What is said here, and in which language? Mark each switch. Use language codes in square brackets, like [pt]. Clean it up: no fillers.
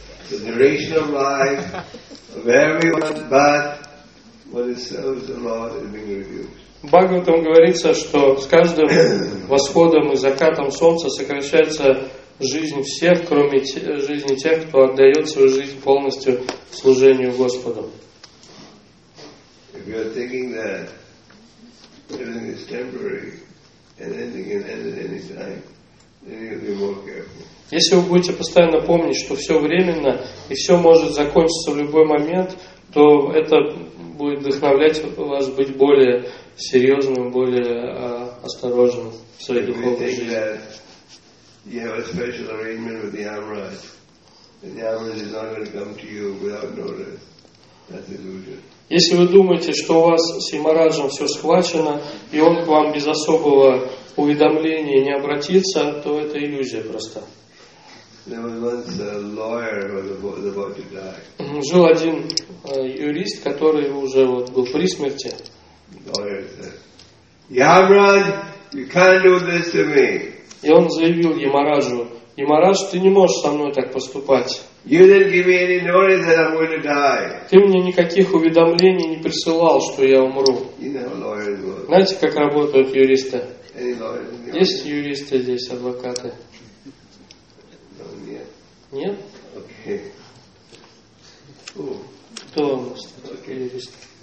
[en] The duration of life of everyone but what is served the Lord is being reduced. [ru] В Бхагаватам говорится, что с каждым восходом и закатом солнца сокращается жизнь всех, кроме жизни тех, кто отдает свою жизнь полностью служению Господу. [en] If you are thinking that everything is temporary and anything can end at any time, then you have to be more careful. [ru] Если вы будете постоянно помнить, что все временно и все может закончиться в любой момент, то это будет вдохновлять вас быть более серьезным, более осторожным в своей духовной жизни. Если вы думаете, что у вас с Ямараджем все схвачено, и он к вам без особого уведомления не обратится, то это иллюзия просто. [en] There was once a lawyer who was about to die. [ru] Жил один юрист, который уже вот был при смерти. [en] Lawyer said, "Ямарадж, you can't do this to me." [ru] И он заявил Ямараджу: "Ямарадж, ты не можешь со мной так поступать. [en] You didn't give me any notice that I'm going to die." [ru] Ты мне никаких уведомлений не присылал, что я умру. Знаете, как работают юристы? Есть юристы здесь, адвокаты? Нет? [en] Okay. [ru] Кто у нас тут okay. юрист?